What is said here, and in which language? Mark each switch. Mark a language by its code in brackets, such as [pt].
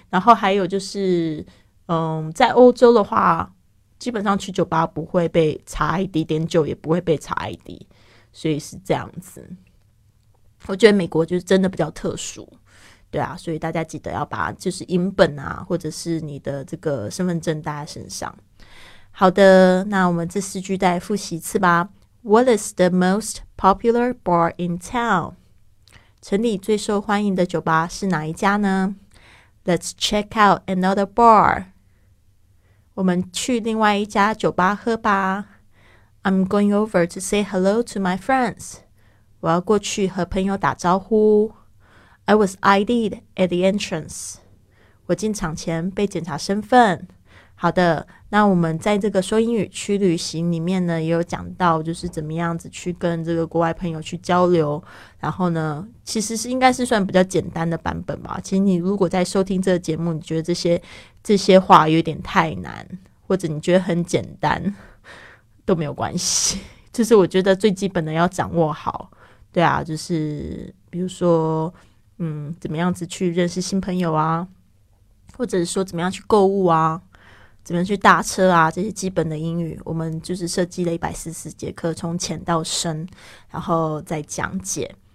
[zh] 然后还有就是在欧洲的话，基本上去酒吧不会被查 ID， 点酒也不会被查 ID， 所以是这样子。我觉得美国就是真的比较特殊，对啊，所以大家记得要把就是影本啊，或者是你的这个身份证带在身上。好的，那我们这四句再复习一次吧。 [en] What is the most popular bar in town? [zh] 城里最受欢迎的酒吧是哪一家呢？ [en] Let's check out another bar. [zh] 我们去另外一家酒吧喝吧。 [en] I'm going over to say hello to my friends. [zh] 我要过去和朋友打招呼。 [en] I was ID'd at the entrance. [zh] 我进场前被检查身份。好的，那我们在这个说英语去旅行里面呢，也有讲到就是怎么样子去跟这个国外朋友去交流，然后呢其实是应该是算比较简单的版本吧。其实你如果在收听这个节目，你觉得这些话有点太难，或者你觉得很简单都没有关系，就是我觉得最基本的要掌握好，对啊，就是比如说怎么样子去认识新朋友啊，或者说怎么样去购物啊，怎么去搭车啊，这些基本的英语，我们就是设计了144节课，从浅到深然后再讲解。